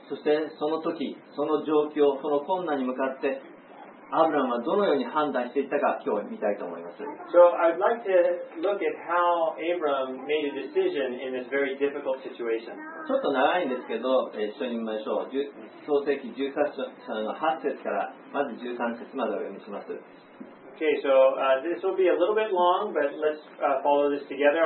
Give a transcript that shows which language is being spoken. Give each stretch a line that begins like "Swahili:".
Japanese: そしてその時、その状況、その困難に向かって、アブラムはどのように判断していったか、今日見たいと思います。
English: So I'd like to look at how Abram made a decision in this very difficult situation.
Japanese: ちょっと長いんですけど、一緒に見ましょう。創世記13章の8節から、まず13節までお読みします。
English: Okay, so this will be a little bit long, but let's follow this together.